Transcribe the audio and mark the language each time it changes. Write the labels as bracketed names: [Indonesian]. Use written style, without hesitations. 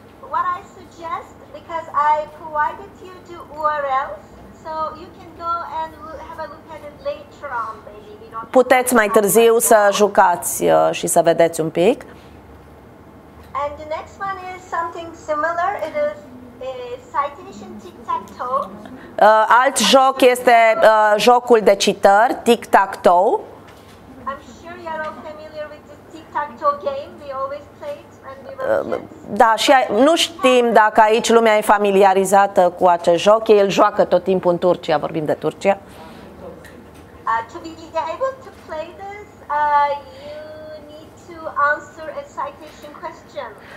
[English] What I suggest, because I provided you the URL, so you can go and have a look at it later on, maybe. [Romanian] Puteți mai târziu să jucați și să vedeți un pic. [English] And the next one is something similar, it is Citation, [Romanian] alt joc este jocul de citări, tic-tac-toe. [English] I'm sure you're all familiar with the tic-tac-toe game. We always played it and we were kids. [Romanian] Da, și nu știm dacă aici lumea e familiarizată cu acest joc. El joacă tot timpul în Turcia, vorbim de Turcia. [English] To be able to play this, you need to answer a citation question.